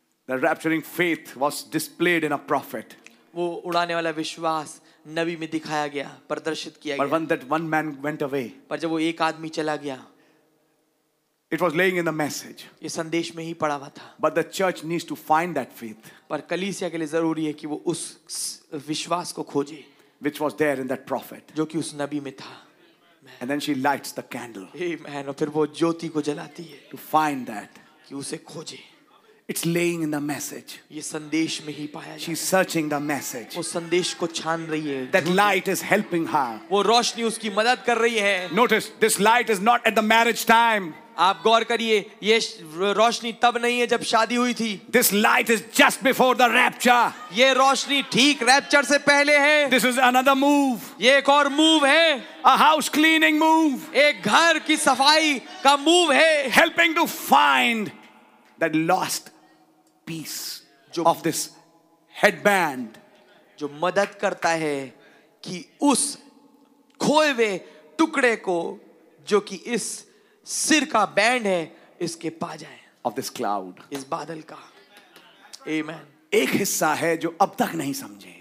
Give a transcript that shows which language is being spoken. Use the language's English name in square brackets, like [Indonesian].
[English] the rapturing faith was displayed in a prophet. [Hindi] वो उड़ाने वाला विश्वास नबी में दिखाया गया, प्रदर्शित किया गया. [English] But when that one man went away, [Hindi] पर जब वो एक आदमी चला गया, [English] it was laying in the message. [Hindi] ये संदेश में ही पड़ा हुआ था. [English] But the church needs to find that faith. [Hindi] पर कलीसिया के लिए जरूरी है कि वो उस विश्वास को खोजे. [English] Which was there in that prophet. [Hindi] जो कि उस नबी में था. [English] And then she lights the candle. Amen. [Hindi] और फिर वो ज्योति को जलाती है. [English] To find that. [Hindi] कि उसे खोजे. [English] It's laying in the message. [Hindi] ये संदेश में ही पाया. [English] She's searching the message. [Hindi] वो संदेश को छान रही है. [English] That light is helping her. [Hindi] वो रोशनी उसकी मदद कर रही है. [English] Notice, this light is not at the marriage time. [Hindi] आप गौर करिए, ये रोशनी तब नहीं है जब शादी हुई थी. [English] This light is just before the rapture. [Hindi] ये रोशनी ठीक रैप्चर से पहले है. [English] This is another move. [Hindi] ये एक और मूव है. [English] A house cleaning move. [Hindi] एक घर की सफाई का मूव है. [English] Helping to find that lost piece of this headband. [Hindi] जो मदद करता है कि उस खोए हुए टुकड़े को, जो कि इस सिर का बैंड है, इसके पा जाए. [English] of this cloud, [Hindi] इस बादल का. Amen. एक हिस्सा है जो अब तक नहीं समझे.